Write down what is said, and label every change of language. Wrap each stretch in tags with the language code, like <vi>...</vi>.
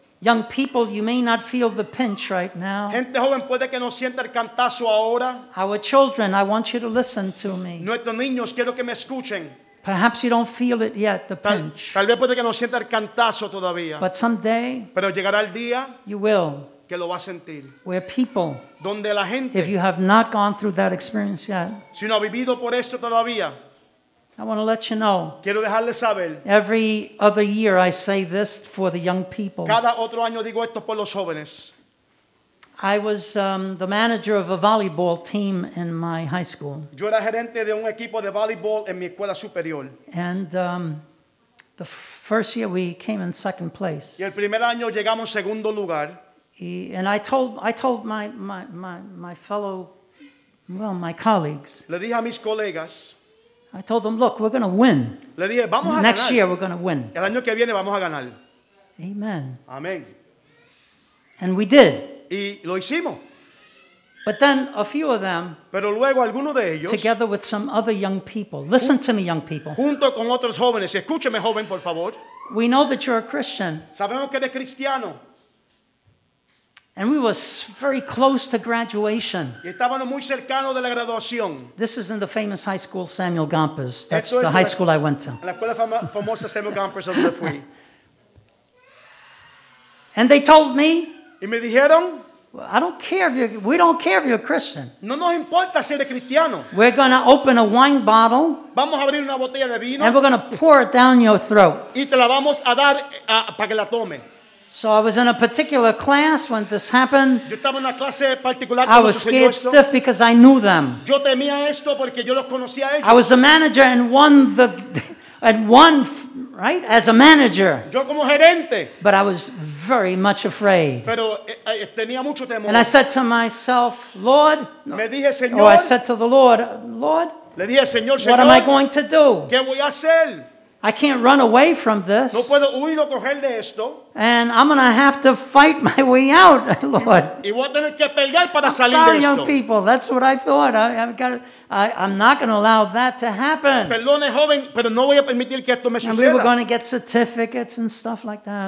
<en>Young people, you may not feel the pinch right now.</en> <es>Gente joven puede que no sienta el cantazo ahora.</es> <en>Our children, I want you to listen to me.</en> <es>Nuestros niños, quiero que me escuchen.</es> <en>Perhaps you don't feel it yet, the pinch.</en> <es>Tal vez puede que no sienta el cantazo todavía.</es> <en>But someday,</en> <es>pero llegará el día,</es> <en>you will.</en> <es>Que lo va a sentir.</es> <en>Where people,</en> <es>donde la gente,</es> <en>if you have not gone through that experience yet,</en> <es>si no ha vivido por esto todavía,</es> <en>I want to let you know.</en> <es>Quiero dejarles saber.</es> <en>Every other year I say this for the young people.</en> <es>Cada otro año digo esto por los jóvenes.</es> <en>I was the manager of a volleyball team in my high school.</en> <es>Yo era gerente de un equipo de voleibol en mi escuela superior.</es> <en>And the first year we came in second place.</en> <es>Y el primer año llegamos segundo lugar.</es> <en>And I told my fellow, well, my colleagues.</en> <es>Le dije a mis colegas.</es> <en>I told them, look, we're going to win.</en> <es>Le dije, vamos a</es> <en>next</en> <es>ganar.</es> <en>Year, we're going to win.</en> <es>El año que viene vamos a ganar. Amen. Amen.</es> <en>And we did.</en> <es>Y lo hicimos.</es> <en>But then a few of them,</en> <es>pero luego algunos de ellos,</es> <en>together with some other young people, listen to me, young people.</en> <es>Junto con otros jóvenes, escúcheme, joven, por favor.</es> <en>We know that you're a Christian.</en> <es>Sabemos que eres cristiano.</es> <en>And we were very close to graduation.</en> <es>Y estábamos muy cercanos de la graduación.</es> <en>This is in the famous high school Samuel Gompers. That's the high school I went to.</en> <es>En la escuela famosa Samuel Gompers donde fui.</es> <en>And they told me.</en> <es>Y me dijeron.</es> <en>I don't care if you're. We don't care if you're a Christian.</en> <es>No nos importa si eres cristiano.</es> <en>We're gonna open a wine bottle.</en> <es>Vamos a abrir una botella de vino.</es> <en>And we're gonna pour it down your throat.</en> <es>Y te la vamos a dar para que la tome.</es> <en>So I was in a particular class when this happened.</en> <es>Yo estaba en una clase particular.</es> <en>I was scared stiff because I knew them.</en> <es>Yo temía esto porque yo los conocía a ellos.</es> <en>I was the manager and won, right? As a manager.</en> <es>Yo como gerente.</es> <en>But I was very much afraid.</en> <es>Pero tenía mucho temor.</es> <en>And I said to myself, Lord,</en> <es>me dije, Señor,</es> <en>or I said to the Lord, Lord,</en> <es>le dije, Señor,</es> <en>what</en> <es>Señor,</es> <en>am I going to do?</en> <es>¿Qué voy a hacer?</es> <en>I can't run away from this.</en> <es>No puedo huir o correr de esto.</es> <en>And I'm going to have to fight my way out, Lord.</en> <es>Y voy a tener que pelear para</es> <en>I'm</en> <es>salir</es> <en>sorry,</en> <es>de esto.</es> <en>Young people. That's what I thought. I'm not going to allow that to happen.</en> <es>Perdone, joven, pero no voy a permitir que esto me suceda.</es> <en>And we were going to get certificates and stuff like that.</en>